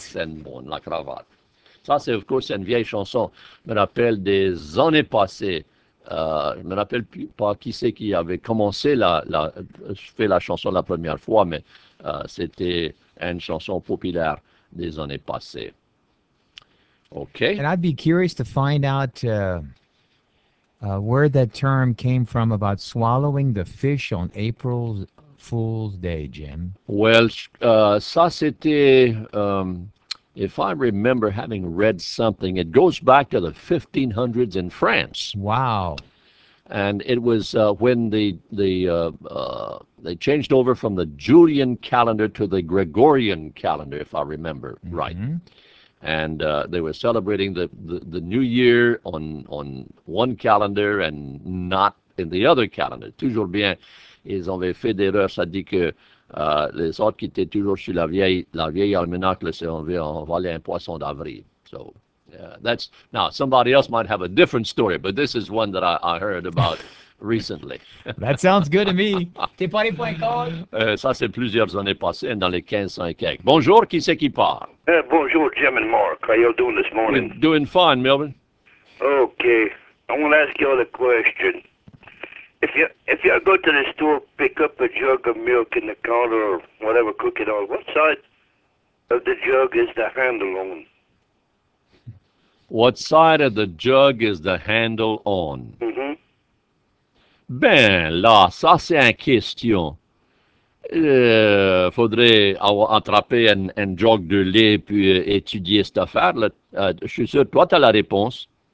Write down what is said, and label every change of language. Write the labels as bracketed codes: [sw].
[fr] C'est bon, la cravate. Ça, c'est, [en] of course, [fr] une vieille chanson. Je me rappelle des années passées, Je me rappelle plus pas qui c'est qui avait commencé fait la chanson la première fois, mais c'était une chanson populaire des années passées. [en] OK. And I'd be curious to find out where that term came from about swallowing the fish on April Fool's Day, Jim. Well, [fr] ça c'était, [en] if I remember having read something, it goes back to the 1500s in France. Wow. And it was when they changed over from the Julian calendar to the Gregorian calendar, if I remember right. And they were celebrating the new year on one calendar and not in the other calendar. [fr] Toujours bien, ils avaient fait d'erreur. Ça dit que les autres qui étaient toujours sur la vieille almanach, c'est on voyait un poisson d'avril. [en] So that's now somebody else might have a different story, but this is one that I heard about recently. That sounds good to me. [fr] T'es pas allé point call? Ça, c'est plusieurs années passées, dans les 1500 et quelques. Bonjour, qui c'est qui parle? [en] Bonjour, Jim and Mark. How y'all doing this We're morning? doing fine, Melvin. Okay, I want to ask y'all a question. If you go to the store, pick up a jug of milk in the counter or whatever, cook it all. What side of the jug is the handle on? What side of the jug is the handle on? [fr] Ben là, ça c'est une question. Faudrait avoir attrapé un jug de lait puis étudier cette affaire-là. Je suis sûr, toi, tu as la réponse.